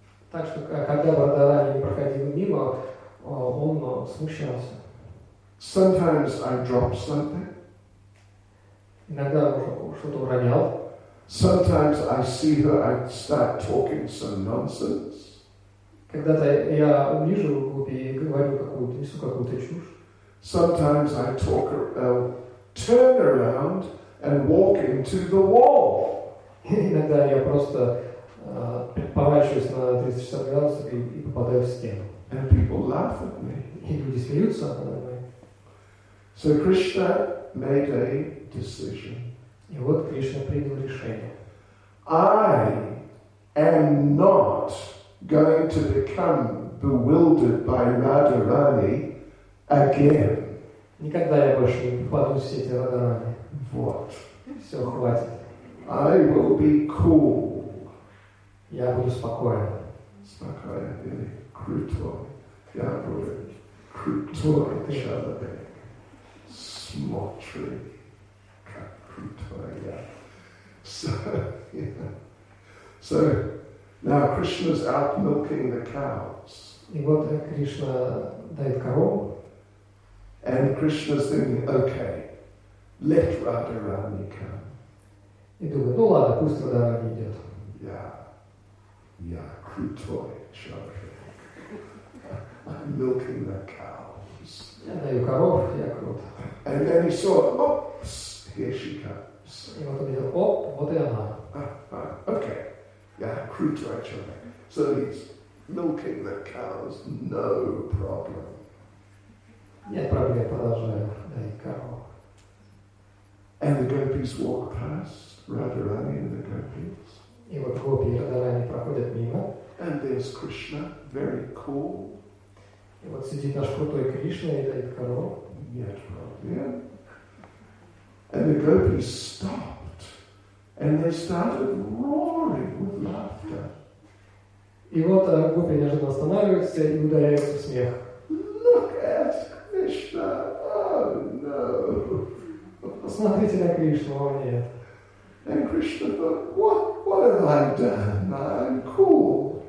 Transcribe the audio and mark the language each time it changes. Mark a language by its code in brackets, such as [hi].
[ru] Так что когда Радхарани проходил мимо, он смущался. [en] Sometimes I drop something. [ru] Иногда что-то уронял. [en] Sometimes I see her, I start talking some nonsense. [ru] Когда-то я увижу гопи и говорю какую-то, несу какую-то чушь. [en] Sometimes I talk, turn around and walk into the wall. [ru] Иногда я просто поворачиваюсь на 360 градусов и попадаю в стену. [en] And people laugh at me. [ru] И люди смеются надо мной. [en] So Krishna made a decision. [ru] И вот Кришна принял решение. [en] I am not going to become bewildered by Radharani again. [ru] Никогда я больше не попаду в сети Радхарани. Вот. Все, хватит. [en] I will be cool. [ru] Я буду спокоен. Спокоен или крутой. Я буду крутой человек. Смотри, как крутой я. [en] So, yeah. So, now Krishna's out milking the cows. [ru] И вот Кришна дает корову. [en] And Krishna's thinking, okay, let Radharani come. [ru] И думаю, ну ладно, пусть Радхарани идет. Я крутой человек. [en] I'm milking the cows. [ru] Я даю коров, я крут. [en] And then he saw, oops, here she comes. [ru] И вот он видел, оп, вот и она. [en] Okay, [ru] я крутой человек. [en] So he's milking the cows, no problem. [ru] Нет проблем, продолжаю, дай коров. [en] And the gopis walk past. Radharani and the gopis. [ru] И вот гопи и Радхарани проходят мимо. [en] And there's Krishna, very cool. [ru] И вот сидит наш крутой Кришна и дает корову. Нет проблем. [en] And the gopis stopped, and they started roaring with laughter. [ru] И вот гопи неожиданно останавливается и ударяется в смех. [en] Look at Krishna! Oh no! [ru] Посмотрите на Кришну, о нет. [en] And Krishna thought, what have I done? I'm cool.